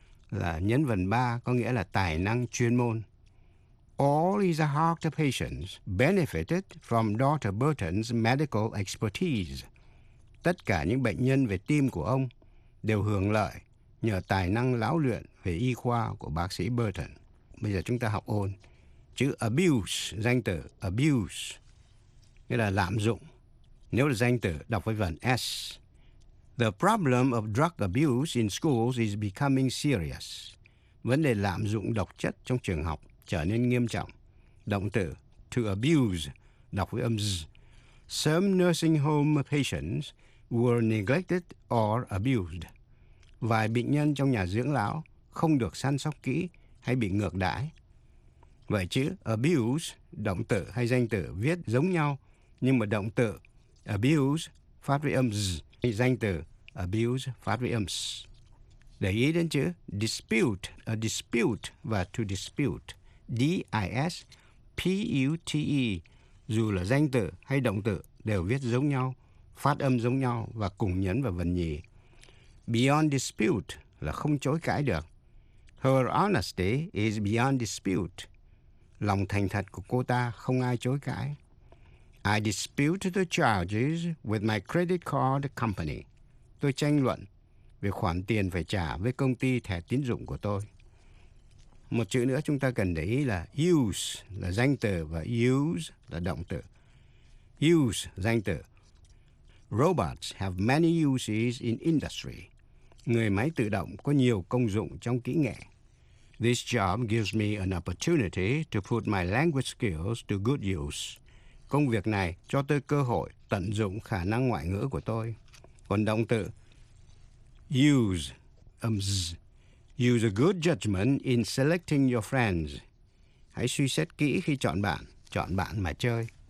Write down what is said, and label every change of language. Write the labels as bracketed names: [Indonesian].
[Vietnamese] là nhấn vần 3 có nghĩa là tài năng chuyên môn. [English] All his heart patients benefited from Dr. Burton's medical expertise. [Vietnamese] Tất cả những bệnh nhân về tim của ông đều hưởng lợi nhờ tài năng lão luyện về y khoa của bác sĩ Burton. Bây giờ chúng ta học ôn. Chữ abuse, danh từ abuse, nghĩa là lạm dụng. Nếu là danh từ, đọc với vần S. [English] The problem of drug abuse in schools is becoming serious. [Vietnamese] Vấn đề lạm dụng độc chất trong trường học trở nên nghiêm trọng. Động từ to abuse, đọc với âm Z. [English] Some nursing home patients were neglected or abused. [Vietnamese] Vài bệnh nhân trong nhà dưỡng lão không được săn sóc kỹ hay bị ngược đãi. Vậy chữ abuse, động từ hay danh từ viết giống nhau, nhưng mà động từ abuse phát với âm Z, danh từ abuse phát với âm S. Để ý đến chữ dispute, a dispute và to dispute, D-I-S-P-U-T-E, dù là danh từ hay động từ đều viết giống nhau, phát âm giống nhau và cùng nhấn vào vần nhì. Beyond dispute là không chối cãi được. [English] Her honesty is beyond dispute. [Vietnamese] Lòng thành thật của cô ta không ai chối cãi. [English] I dispute the charges with my credit card company. [Vietnamese] Tôi tranh luận về khoản tiền phải trả với công ty thẻ tín dụng của tôi. Một chữ nữa chúng ta cần để ý là use là danh từ và use là động từ. Use, danh từ. [English] Robots have many uses in industry. [Vietnamese] Người máy tự động có nhiều công dụng trong kỹ nghệ. [English] This job gives me an opportunity to put my language skills to good use. [Vietnamese] Công việc này cho tôi cơ hội tận dụng khả năng ngoại ngữ của tôi. Còn động từ use, âm z. [English] Use a good judgment in selecting your friends. [Vietnamese] Hãy suy xét kỹ khi chọn bạn mà chơi.